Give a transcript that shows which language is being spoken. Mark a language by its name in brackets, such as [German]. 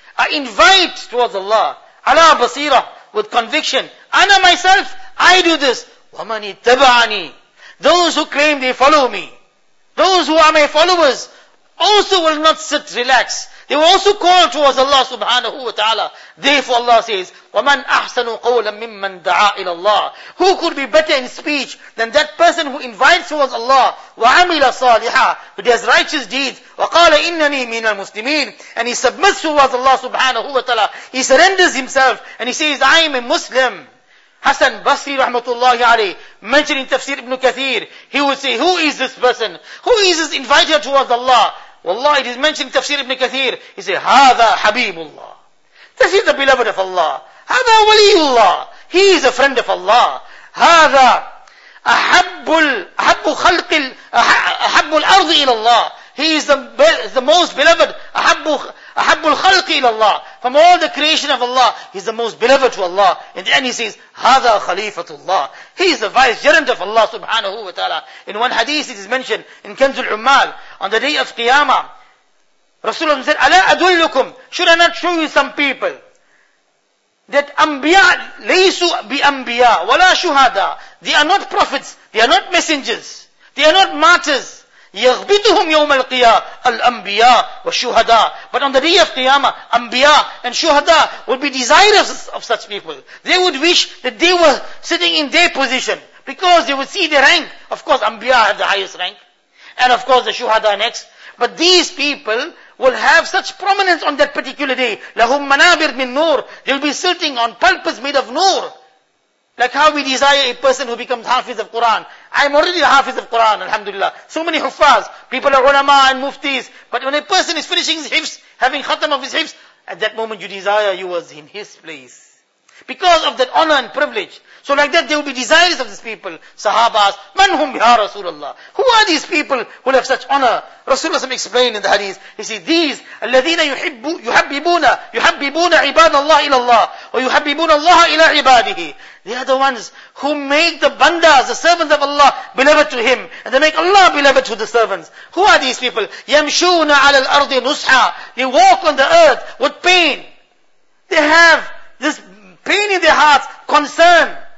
[English] I invite towards Allah, [Arabic] عَلَى بَصِيرَةٍ, [English] with conviction. أَنَا myself, I do this. [Arabic] وَمَنِ اتَّبَعَنِي. [English] Those who claim they follow me, those who are my followers, also will not sit relaxed. They will also call towards Allah subhanahu wa ta'ala. Therefore Allah says, [Arabic] وَمَنْ أَحْسَنُ قَوْلًا مِمَّنْ دَعَى إِلَى اللَّهِ. [English] Who could be better in speech than that person who invites towards Allah, [Arabic] وَعَمِلَ صَالِحًا, [English] who does righteous deeds, [Arabic] وَقَالَ إِنَّنِي مِنَ الْمُسْلِمِينَ, [English] and he submits towards Allah subhanahu wa ta'ala. He surrenders himself and he says, I am a Muslim. Hassan Basri rahmatullahi alayh, mentioned in Tafsir Ibn Kathir, he would say, who is this person? Who is this inviter towards Allah? Wallah, it is mentioned in Tafsir Ibn Kathir, he said, [Arabic] هذا حبيب الله. [English] This is the beloved of Allah. [Arabic] هذا ولي الله. [English] He is a friend of Allah. [Arabic] هذا أحب خلق أحب الأرض إلى الله. [English] He is the most beloved. [Arabic] أحب الخلق إلى الله. [English] From all the creation of Allah, he's the most beloved to Allah. In the end he says, [Arabic] هَذَا خَلِيفَةُ اللَّهِ. [English] He's the vicegerent of Allah subhanahu wa ta'ala. In one hadith it is mentioned, in Kanzul Ummal, on the day of Qiyamah, Rasulullah said, [Arabic] أَلَا أَدُلُّكُمْ. [English] Should I not show you some people? [Arabic] That anbiya لَيْسُ بِأَنْبِيَا وَلَا شُهَادَا. [English] They are not prophets, they are not messengers, they are not martyrs. [Arabic] يَغْبِتُهُمْ يَوْمَ الْقِيَامَةِ الْأَنْبِيَاء وَالشُّهَدَاء. [English] But on the day of Qiyamah, Anbiya and Shuhada would be desirous of such people. They would wish that they were sitting in their position, because they would see their rank. Of course, Anbiya have the highest rank, and of course the Shuhada next. But these people will have such prominence on that particular day. [Arabic] لَهُمْ مَنَابِرْ مِنْ نُورِ. [English] They'll be sitting on pulpits made of noor. Like how we desire a person who becomes Hafiz of Quran. I'm already a Hafiz of Quran, alhamdulillah. So many huffaz, people are ulama and muftis. But when a person is finishing his hifz, having khatam of his hifz, at that moment you desire you was in his place. Because of that honor and privilege. So like that there will be desires of these people. Sahabas, [Arabic] man hum biha [English] Rasulullah. Who are these people who have such honor? Rasulullah SAW explained in the hadith. He said, these, [Arabic] الَّذِينَ يُحَبِّبُونَ عِبَادَ اللَّهِ إِلَى اللَّهِ وَيُحَبِّبُونَ اللَّهَ إِلَى عِبَادِهِ. [English] They are the ones who make the bandas, the servants of Allah, beloved to him. And they make Allah beloved to the servants. Who are these people? [Arabic] يَمْشُونَ عَلَى الْأَرْضِ نُسْحَى. [English] They walk on the earth with pain. They have this pain in their hearts, concern.